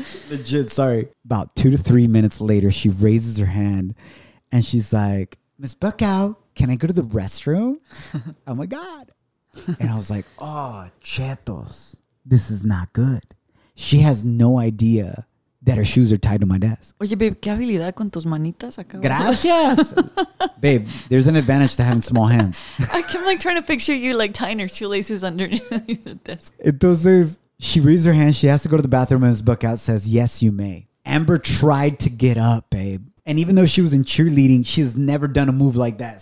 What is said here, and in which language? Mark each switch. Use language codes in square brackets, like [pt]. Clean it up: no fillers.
[en] Legit, sorry. About 2 to 3 minutes later, she raises her hand and she's like, Miss Buckow, can I go to the restroom? Oh, my God. And I was like, oh, chetos, this is not good. She has no idea that her shoes are tied to my desk. [es] Oye, babe, ¿qué habilidad con tus manitas acá? Gracias. [en] Babe, there's an advantage to having small hands. I'm like trying to picture you like tying her shoelaces underneath the desk. Entonces, she raises her hand. She has to go to the bathroom and his book out says, yes, you may. Amber tried to get up, babe. And even though she was in cheerleading, she has never done a move like that.